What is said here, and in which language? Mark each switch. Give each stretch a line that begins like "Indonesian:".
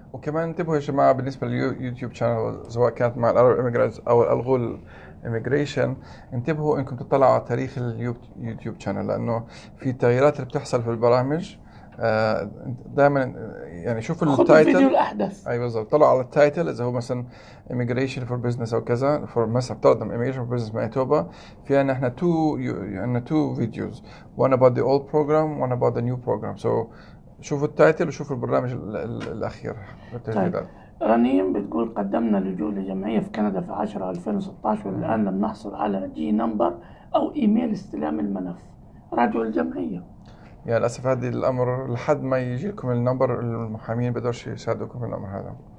Arabic: وكمان انتبهوا يا جماعه بالنسبه لليوتيوب شانل، سواء كانت مع العرب ايميجرانتس او الغول ايميجريشن، انتبهوا انكم تطلعوا على تاريخ اليوتيوب شانل، لانه في التغييرات اللي بتحصل في البرامج دائما. يعني شوفوا التايتل، الفيديو الاحدث. اي بالضبط، طلعوا على التايتل اذا هو مثلا
English: immigration for business
Arabic: او كذا،
English: for
Arabic: مثلا بتقدم
English: immigration for business Manitoba،
Arabic: في عندنا احنا تو فيديوز،
English: one about the old program one about the new program.
Arabic: سو شوفوا التايتل وشوفوا البرنامج الاخير للتجديدات. طيب. رنيم بتقول قدمنا لجوء لجمعيه في كندا في 10/2016 والان لم نحصل على جي نمبر او ايميل استلام الملف، راجعوا الجمعيه. يا للأسف هذا الأمر، لحد ما يجي لكم النمبر المحامين بدورش يساعدوكم في الأمر هذا.